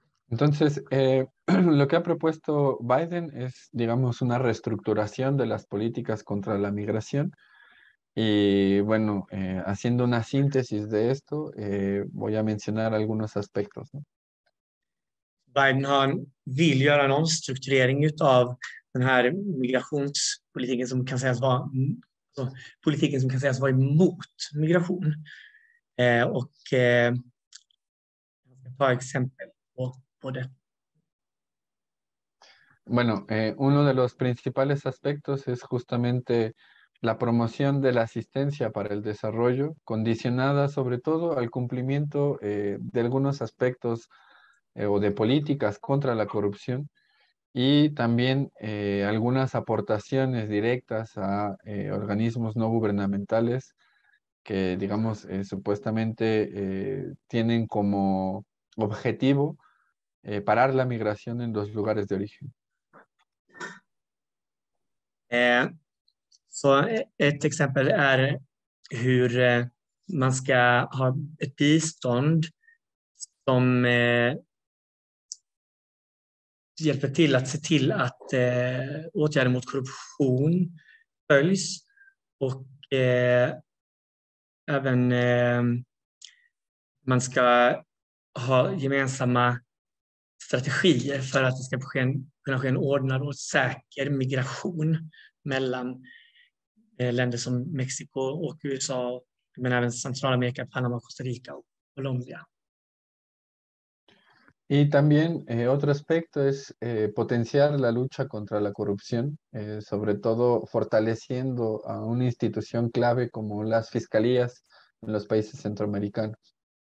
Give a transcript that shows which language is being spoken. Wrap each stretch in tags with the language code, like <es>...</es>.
<es>Entonces, lo que ha propuesto Biden es, digamos, una reestructuración de las políticas contra la migración. Y bueno, haciendo una síntesis de esto, voy a mencionar algunos aspectos, ¿no?</es> <sv>Biden vill göra en omstrukturering av den här migrationspolitiken som kan sägas vara alltså, politiken som kan sägas vara emot migration. Jag ska ta exempel på det.</sv> <es>Bueno, uno de los principales aspectos es justamente la promoción de la asistencia para el desarrollo, condicionada sobre todo al cumplimiento de algunos aspectos o de políticas contra la corrupción y también algunas aportaciones directas a organismos no gubernamentales que, digamos, supuestamente tienen como objetivo parar la migración en los lugares de origen.</es> <sv>Så ett exempel är hur man ska ha ett bistånd som hjälper till att se till att åtgärder mot korruption följs och även man ska ha gemensamma strategier för att det ska kunna ske en ordnad och säker migration mellan länder som Mexiko och USA, men även Centralamerika, Panama, Costa Rica och Colombia.</sv> <es>Y también otro aspecto es potenciar la lucha contra la corrupción, sobre todo fortaleciendo a una institución clave como las fiscalías en los países centroamericanos.</es>